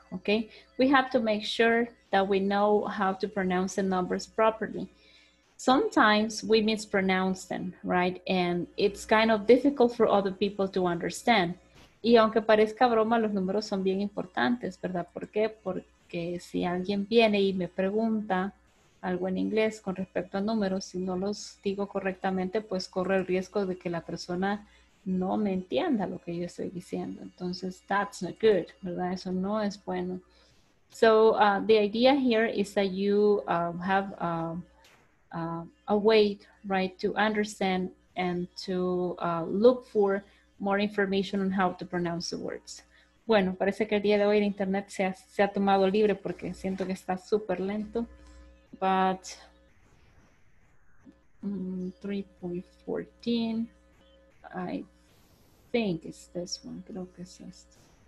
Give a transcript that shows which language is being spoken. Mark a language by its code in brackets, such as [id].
[en] Okay, we have to make sure that we know how to pronounce the numbers properly. Sometimes we mispronounce them, right? And it's kind of difficult for other people to understand. [es] Y aunque parezca broma, los números son bien importantes, ¿verdad? ¿Por qué? Porque si alguien viene y me pregunta algo en inglés con respecto a números, si no los digo correctamente, pues corre el riesgo de que la persona no me entienda lo que yo estoy diciendo. Entonces, [en] that's not good, [es] ¿verdad? Eso no es bueno. [en] So, the idea here is that you have a way, right, to understand and to look for more information on how to pronounce the words. [es] Bueno, parece que el día de hoy el internet se ha tomado libre porque siento que está súper lento. [en] But, 3.14, I think it's this one, [es] creo que es esto.